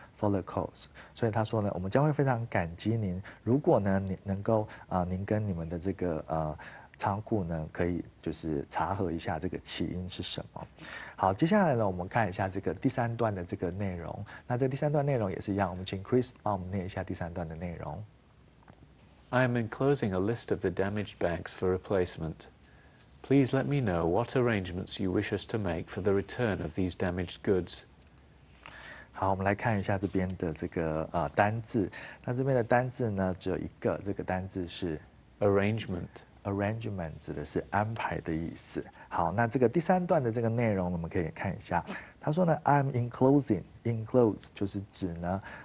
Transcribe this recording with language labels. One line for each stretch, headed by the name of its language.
English: For the cause，
Chinese: 所以他说呢，我们将会非常感激您，如果呢，你能够您跟你们的这个仓库呢，可以就是查核一下这个起因是什么。好，接下来呢，我们看一下这个第三段的这个内容。那这第三段内容也是一样，我们请 Chris 帮我们念一下第三段的内容。
English: I am enclosing a list of the damaged bags for replacement. Please let me know what arrangements you wish us to make for the return of these damaged goods.
Chinese: 好，我们来看一下这边的这个单字。那这边的单字呢，只有一个，这个单字是
English: arrangement。
Chinese: arrangement 指的是安排的意思。好，那这个第三段的这个内容，我们可以看一下。他说呢 ，
English: I'm enclosing，
Chinese: enclose 就是指呢。